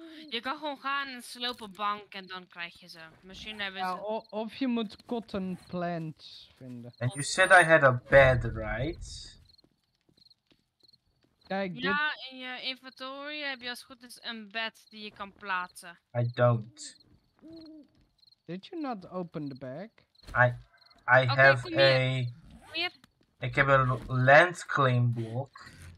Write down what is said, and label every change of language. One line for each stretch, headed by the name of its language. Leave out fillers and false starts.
Dutch: je kan gewoon gaan en slopen bank en dan krijg je ze. Misschien hebben ze... Ja, of je moet cotton plants vinden.
English: And you said I had a bed, right?
Dutch: Kijk, ja, in je inventory heb je als goed is een bed die je kan plaatsen.
English: I don't. Did you not open the bag? I okay, have
Dutch: kom hier. A... Kom hier. Ik heb een land claim block.